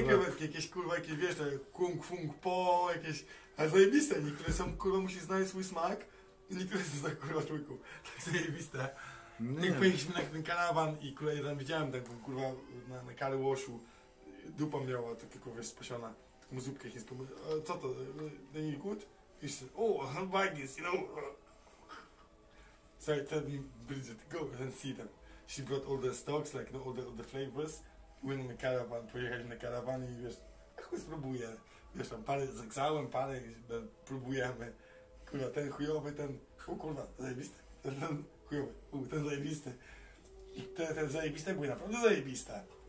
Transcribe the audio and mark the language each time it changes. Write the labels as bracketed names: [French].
[Polish] Nie, krewetki, jakieś, kurwa, jakieś, wiesz, te kung fung po, jakieś... Ale zajebiste, niektóre są, kurwa, musi znaleźć swój smak i niektóre są za, kurwa, człowieku, tak zajebiste. Nie. Jak pojechaliśmy na ten karawan i kurwa, ja tam widziałem tak, kurwa, na car washu, dupa miała taką, kurwa, spasiona, taką zupkę chińską. Co to, [English] they eat good? [Polish] I jeszcze, [English] oh, I like this, you know. So I tell Bridget, go and see them. She brought all the stocks, like, no, all the flavors. Went in the caravan, [Polish] pojechaliśmy na karawan i wiesz, a chuj spróbuję. Wiesz tam, parę, zegzałem parę, próbujemy. Kurwa, ten chujowy, ten, o kurwa, zajebiste. Ten, chujowy, ten zajebisty. Te zajebiste były naprawdę zajebiste.